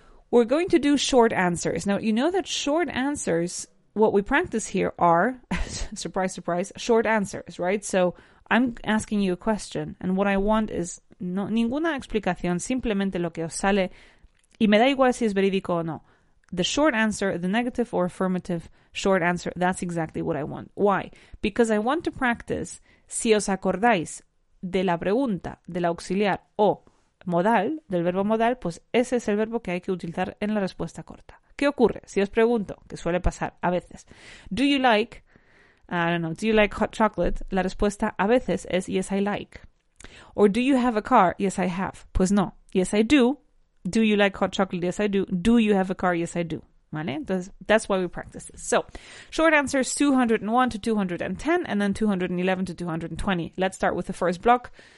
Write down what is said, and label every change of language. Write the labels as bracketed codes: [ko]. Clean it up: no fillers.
[en] We're going to do short answers. Now, you know that short answers, what we practice here are, surprise, surprise, short answers, right? So, I'm asking you a question, and what I want is [es] no ninguna explicación, simplemente lo que os sale, y me da igual si es verídico o no. [en] The short answer, the negative or affirmative short answer, that's exactly what I want. Why? Because I want to practice, [es] si os acordáis de la pregunta, del auxiliar o modal, del verbo modal, pues ese es el verbo que hay que utilizar en la respuesta corta. ¿Qué ocurre? Si os pregunto, que suele pasar a veces, [en] do you like hot chocolate? [es] La respuesta a veces es [en] yes, I like. Or do you have a car? Yes, I have. [es] Pues no, [en] yes, I do. Do you like hot chocolate? Yes, I do. Do you have a car? Yes, I do. [es] ¿Vale? [en] That's why we practice this. So, short answers 201 to 210 and then 211 to 220. Let's start with the first block.